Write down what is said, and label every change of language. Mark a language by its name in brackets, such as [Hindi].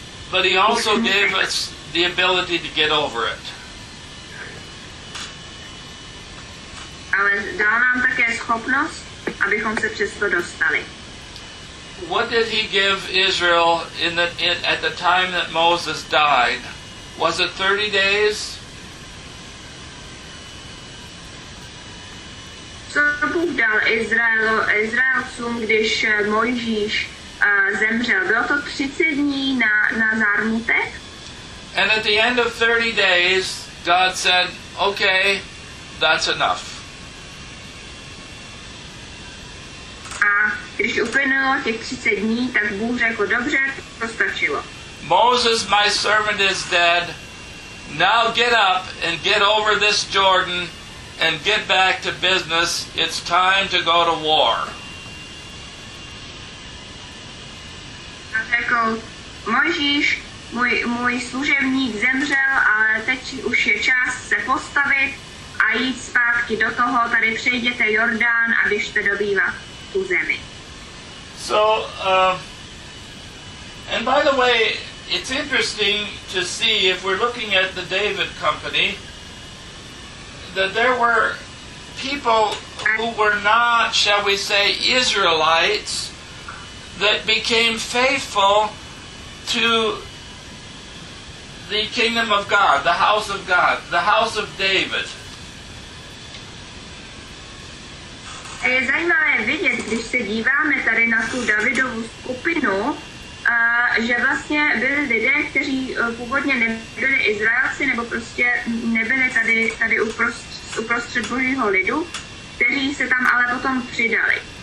[English] But he also gave us the ability to get over it. [Czech] Ale dal nám také schopnost, abychom se přes to dostali. [English] What did he give Israel at the time that Moses died? Was it 30 days? [Czech] Co Bůh dal Izraelcům, když Mojžíš zemřel? Bylo to 30 dní na zármutek? [English] And at the end of 30 days, God said, okay, that's enough. [Czech] A když uplynulo těch 30 dní, tak Bůh řekl, dobře, to stačilo. [English] Moses, my servant, is dead. Now get up and get over this Jordan and get back to business. It's time to go to war. [Czech] A řekl, Mojžíš, můj služebník zemřel, ale teď už je čas se postavit a jít zpátky do toho, tady přejděte Jordán a běžte dobývat tu zemi. [English] So, and by the way, it's interesting to see, if we're looking at the David Company, that there were people who were not, shall we say, Israelites, that became faithful to the kingdom of God, the house of God, the house of David. [Czech] Je zajímavé vidět, když se díváme tady na tu Davidovu skupinu, že vlastně byli lidé, kteří původně nebyli Izraelci, nebo prostě nebyli tady uprostřed Božího lidu, kteří se tam ale potom přidali.